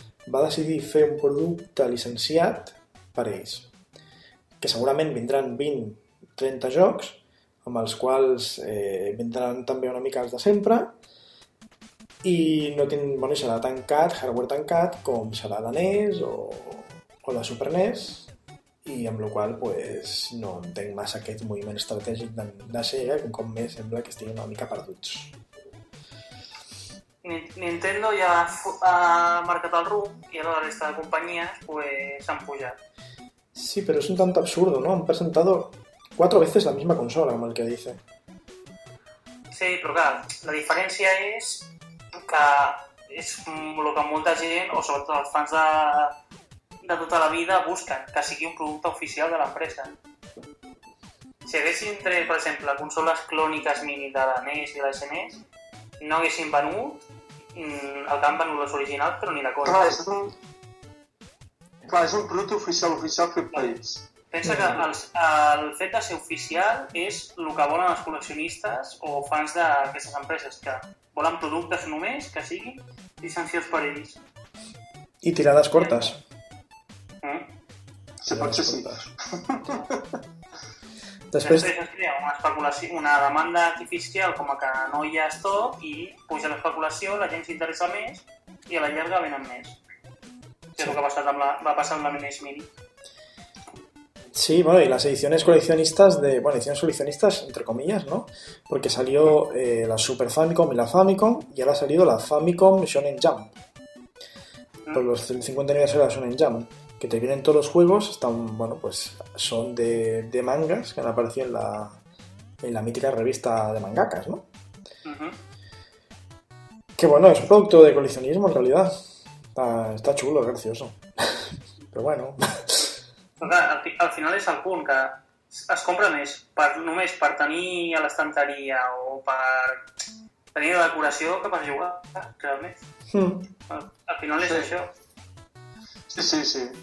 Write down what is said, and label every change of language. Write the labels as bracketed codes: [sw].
[ca] va decidir fer un producte llicenciat per ells, que segurament vindran 20-30 jocs, amb els quals vindran també una mica els de sempre, i no tinc, bueno, serà tancat, hardware tancat, com serà la NES o la Super NES, i amb la qual cosa pues, no entenc massa aquest moviment estratègic de Sega, que un cop més sembla que estiguin una mica perduts. Nintendo ja ha marcat el rumb i la resta de companyies pues, han pujat. Sí, però és un tant absurdo, ¿no? [es] Han presentado 4 veces la misma consola, [ca] com el que [es] dice. [ca] Sí, però clar, la diferència és que és el que molta gent, o sobretot els fans de tota la vida, busquen, que sigui un producte oficial de l'empresa. Si haguessin tret, per exemple, consoles clòniques mini de la NES i la SNES, no haguessin venut el que han venut les originals, però ni la cosa. Clar, és un producte oficial fet per ells. Pensa que el fet de ser oficial és el que volen els col·leccionistes o fans d'aquestes empreses, que volen productes només que siguin llicenciats per ells. I tirades cortes. Sí, pot ser, sí. Després es crea una especulació, una demanda artificial, com a que no hi ha stock i puja l'especulació, la gent s'interessa més i a la llarga venen més. Sí. És el que va passar amb la NES Mini. [es] Sí, bueno, y las ediciones coleccionistas de... Bueno, ediciones coleccionistas, entre comillas, ¿no? Porque salió la Super Famicom y la Famicom, y ahora ha salido la Famicom Shonen Jump. Por los 50 aniversarios de la Shonen Jump, que te vienen todos los juegos, están, bueno, pues son de mangas que han aparecido en la mítica revista de mangakas, ¿no? Que bueno, es un producto de coleccionismo, en realidad. Está chulo, gracioso. Pero bueno... [ca] Al final és el punt, que es compra més només per tenir a l'estanteria o per tenir la decoració que per jugar, realment. Al final és això. Sí.